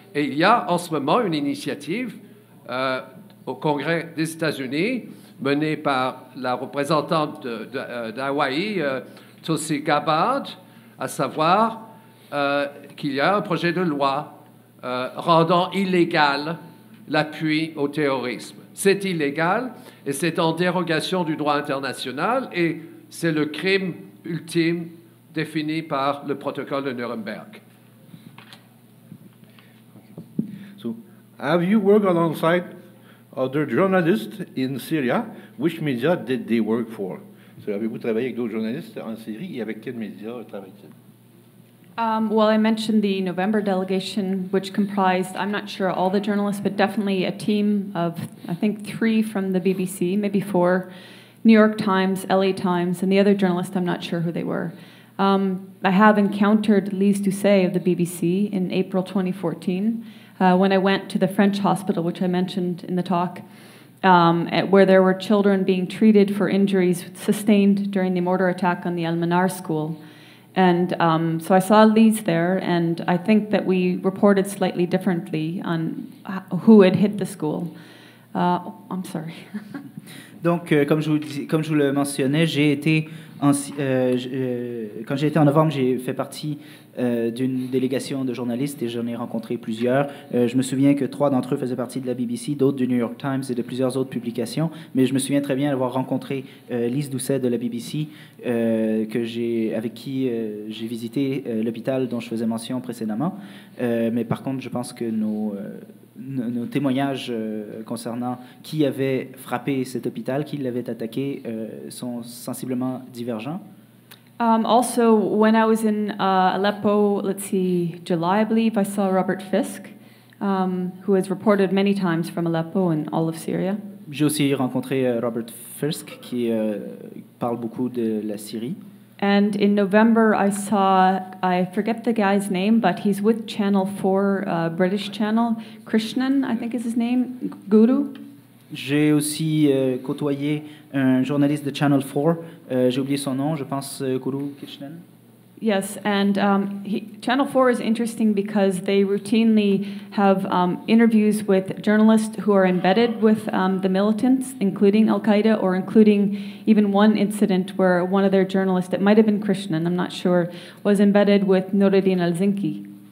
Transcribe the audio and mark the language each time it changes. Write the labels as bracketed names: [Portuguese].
[French] Et il y a en ce moment une initiative au Congrès des États-Unis, menée par la représentante d'Hawaï, Tulsi Gabbard, à savoir qu'il y a un projet de loi rendant illégal l'appui au terrorisme. C'est illégal et c'est en dérogation du droit international et c'est le crime ultime défini par le protocole de Nuremberg. [English] So, have you worked alongside other journalists in Syria? Which media did they work for? [French] So, avez-vous travaillé avec d'autres journalistes en Syrie et avec quels médias travaillez-vous? [English] Well, I mentioned the November delegation, which comprised, I'm not sure all the journalists, but definitely a team of, I think, three from the BBC, maybe four, New York Times, LA Times, and the other journalists, I'm not sure who they were. I have encountered Lise Doucet of the BBC in April 2014, when I went to the French hospital, which I mentioned in the talk, where there were children being treated for injuries sustained during the mortar attack on the Al Manar school. And so I saw Lise there, and I think that we reported slightly differently on who had hit the school. I'm sorry. [French] Donc, comme je vous le mentionnais, j'ai été quand j'ai été en novembre, j'ai fait partie d'une délégation de journalistes et j'en ai rencontré plusieurs. Je me souviens que trois d'entre eux faisaient partie de la BBC, d'autres du New York Times et de plusieurs autres publications. Mais je me souviens très bien d'avoir rencontré Lise Doucet de la BBC, avec qui j'ai visité l'hôpital dont je faisais mention précédemment. Mais par contre, je pense que nos témoignages concernant qui avait frappé cet hôpital, qui l'avait attaqué, sont sensiblement divergents. [English] Also, when I was in Aleppo, let's see, July, I believe, I saw Robert Fisk, who has reported many times from Aleppo and all of Syria. [French] J'ai aussi rencontré Robert Fisk, qui parle beaucoup de la Syrie. [English] And in November, I forget the guy's name, but he's with Channel 4, British Channel, Krishnan, I think is his name, Guru. [French] J'ai aussi côtoyé un journaliste de Channel 4. J'ai oublié son nom, je pense, Guru Krishnan. [English] Yes, and Channel 4 is interesting because they routinely have interviews with journalists who are embedded with the militants, including Al-Qaeda, or including even one incident where one of their journalists, it might have been Krishnan, I'm not sure, was embedded with Nuruddin al-Zinki.